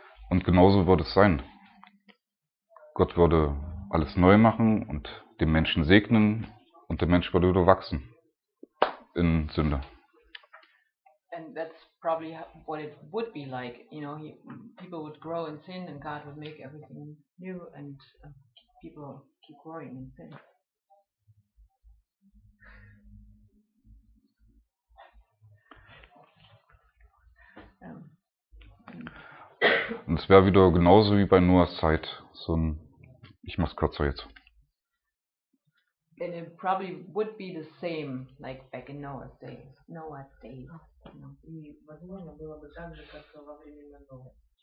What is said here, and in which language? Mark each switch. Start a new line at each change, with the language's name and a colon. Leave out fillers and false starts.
German: Und genauso wird es sein. Gott würde alles neu machen und den Menschen segnen und der Mensch würde wieder wachsen in Sünde.
English: And that's probably what it would be like. People would grow in sin and God would make everything new and people keep growing in sin.
German: Und es wäre wieder genauso wie bei Noahs Zeit, so ein Ich mach's kürzer jetzt.
English: And it probably would be the same like back in Noah's days.
Russian: Возможно, было бы так же, как во времена Ноя.